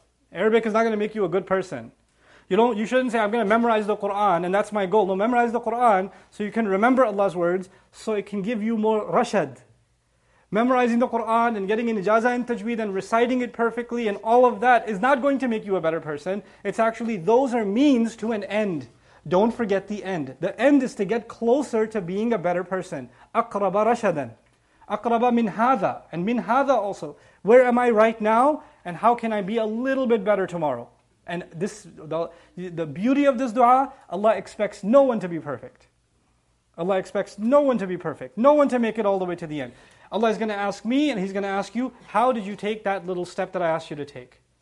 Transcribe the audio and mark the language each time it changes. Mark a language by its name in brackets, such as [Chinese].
[English] Arabic is not going to make you a good person. You shouldn't say, I'm going to memorize the Qur'an and that's my goal. No, memorize the Qur'an so you can remember Allah's words so it can give you more rashad. Memorizing the Qur'an and getting in ijazah and tajweed and reciting it perfectly and all of that is not going to make you a better person. It's actually, those are means to an end. Don't forget the end. The end is to get closer to being a better person. [Arabic] أَقْرَبَ rashadan, أَقْرَبَ مِنْ هَذَا. [English] And [Arabic] مِنْ هَذَا [English] also. Where am I right now and how can I be a little bit better tomorrow? And this, the beauty of this dua, Allah expects no one to be perfect. Allah expects no one to be perfect. No one to make it all the way to the end. Allah is going to ask me and He's going to ask you, how did you take that little step that I asked you to take?